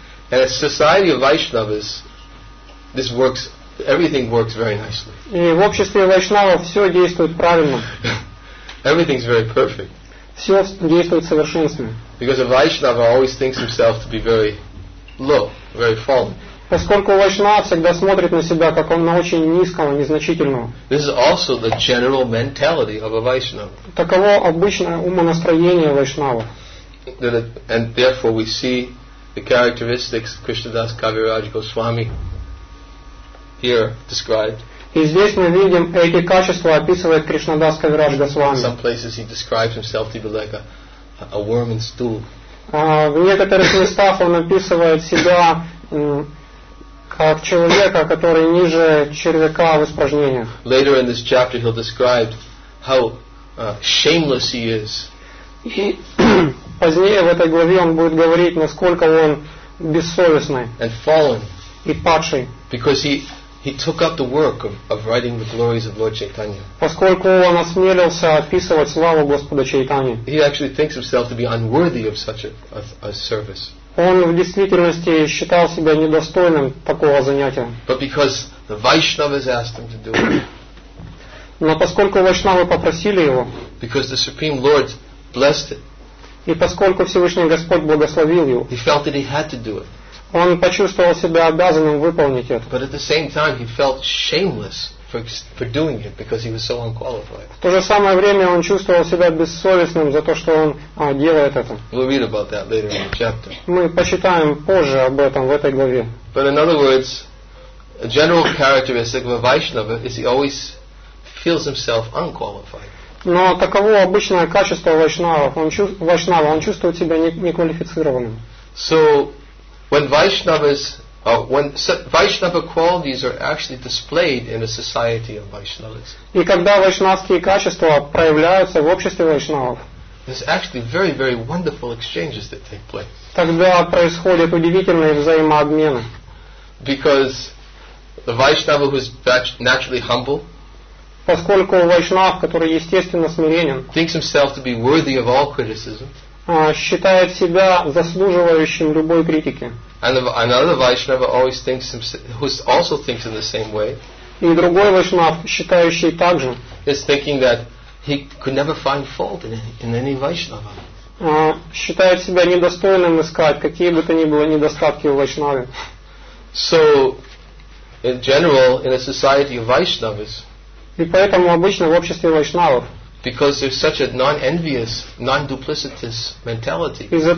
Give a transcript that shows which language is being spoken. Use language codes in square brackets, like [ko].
[en] And a society of Vaishnavas, this works, everything works very nicely. [ru] И в обществе Вайшнавов все действует правильно. [en] Everything's very perfect. [ru] Все действует совершенно. [en] Because a Vaishnava always thinks himself to be very low, very fallen. [ru] Поскольку Вайшнав всегда смотрит на себя как он на очень низкого, незначительного. [en] This is also the general mentality of a Vaishnava. [ru] Таково обычное умонастроение Вайшнава. [en] And therefore we see the characteristics Krishnadas Kaviraj Goswami here described. [ru] И здесь мы видим эти качества описывает Кришнадас Кавирадж Госвами. [en] Some places he describes himself to be like a worm in stool. [ru] В некоторых местах он описывает себя как человека, который ниже червяка в испражнениях. [en] Later in this chapter he'll describe how shameless he is. [ru] И позднее в этой главе он будет говорить, насколько он бессовестный. [en] And fallen. [ru] И падший. [en] Because he took up the work of writing the glories of Lord Chaitanya. [ru] Поскольку он осмелился описывать славу Господа Чайтаньи. [en] He actually thinks himself to be unworthy of such a service. [ru] Он в действительности считал себя недостойным такого занятия. [en] But because the Vaishnavas asked him to do it. [ru] Но поскольку Вайшнавы попросили его. [en] Because the Supreme Lord blessed it. [ru] И поскольку Всевышний Господь благословил его. [en] He felt that he had to do it. [ru] Он почувствовал себя обязанным выполнить это. [en] But at the same time he felt shameless for doing it because he was so unqualified. [ru] В то же самое время он чувствовал себя бессовестным за то, что он делает это. [en] We'll read about that later in the chapter. [ru] Мы почитаем позже об этом в этой главе. [en] But in other words, a general characteristic of a Vaishnava is he always feels himself unqualified. [ru] Но таково обычное качество Вайшнава, он чувствует себя неквалифицированным. [en] So when Vaishnavas, when Vaishnava qualities are actually displayed in a society of Vaishnavas. [ru] И когда вайшнавские качества проявляются в обществе вайшнавов. [en] There's actually very, very wonderful exchanges that take place. [ru] Тогда происходят удивительные взаимообмены. [en] Because the Vaishnava who's naturally humble. [ru] Поскольку вайшнав, который естественно смиренен. [en] Thinks himself to be worthy of all criticism. [ru] Считает себя заслуживающим любой критики. [en] And another Vaishnava always thinks who also thinks in the same way. [ru] И другой вайшнав, считающий также, [en] is thinking that he could never find fault in any Vaishnava. [ru] Считает себя недостойным искать какие бы то ни было недостатки у вайшнавы. [en] So, in general, in a society of Vaishnavas. [ru] И поэтому обычно в обществе вайшнавов. [en] Because there's such a non-envious, non-duplicitous mentality.